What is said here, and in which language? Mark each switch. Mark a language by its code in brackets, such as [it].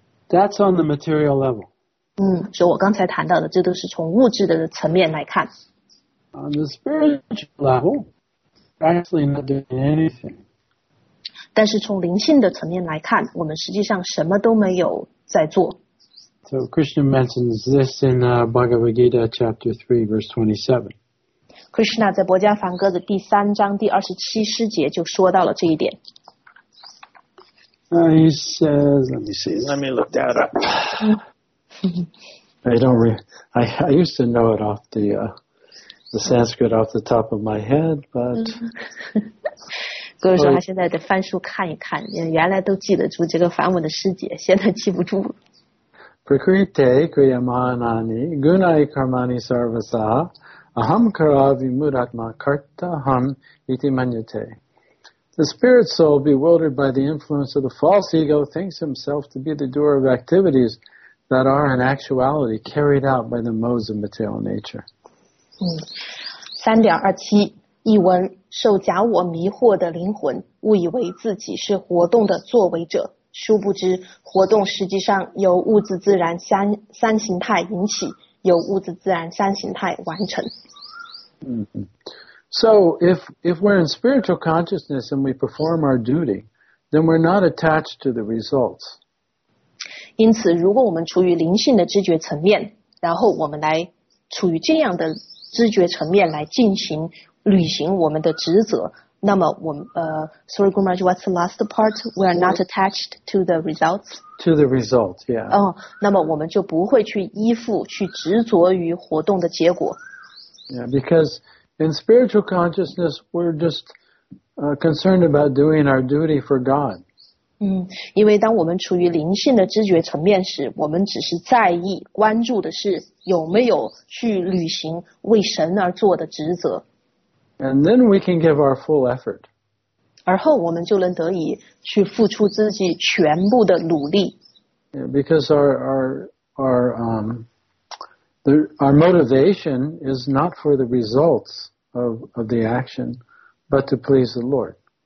[en] That's on the material level. [zh] 所以我刚才谈到的，这都是从物质的层面来看。 [en] On the spiritual level, actually not doing anything. [zh] 但是从灵性的层面来看，我们实际上什么都没有在做。 [en] So Krishna mentions this in Bhagavad Gita chapter 3, verse 27. [zh] Krishna 在博迦梵歌的第三章第二十七诗节就说到了这一点。 [en] He says, let me see, let me look that up. I used to know it off the Sanskrit off the top of my head, but... [zh] 各位说他现在在翻书看一看，原来都记得住这个梵文的诗节，现在记不住了。 [sa] Prakriti kriyamanani gunai karmani sarvasa ahamkara vimudatma karta ham iti manyate. [en] The spirit soul, bewildered by the influence of the false ego, thinks himself to be the doer of activities that are in actuality carried out by the modes of material nature. [zh] 3.27 译文：受假我迷惑的灵魂误以为自己是活动的作为者，殊不知活动实际上由物质自然三形态引起，由物质自然三形态完成。 [en] So if we're in spiritual consciousness and we perform our duty, then we're not attached to the results. [zh] 因此如果我们处于灵性的知觉层面，然后我们来处于这样的知觉层面来进行履行我们的职责，那么我们， [en] sorry, Guru Maharaj, what's the last part? We are not attached to the results. To the results, yeah. [zh] 那么我们就不会去依附、去执着于活动的结果。 [en] Yeah, because in spiritual consciousness, we're just concerned about doing our duty for God. [zh] 因为当我们处于灵性的知觉层面时，我们只是在意、关注的是。有没有去履行为神而做的职责？ [en] And then we can give our full effort. [zh] 而后我们就能得以去付出自己全部的努力。 [en] Because our motivation is not for the results of the action, but to please the Lord.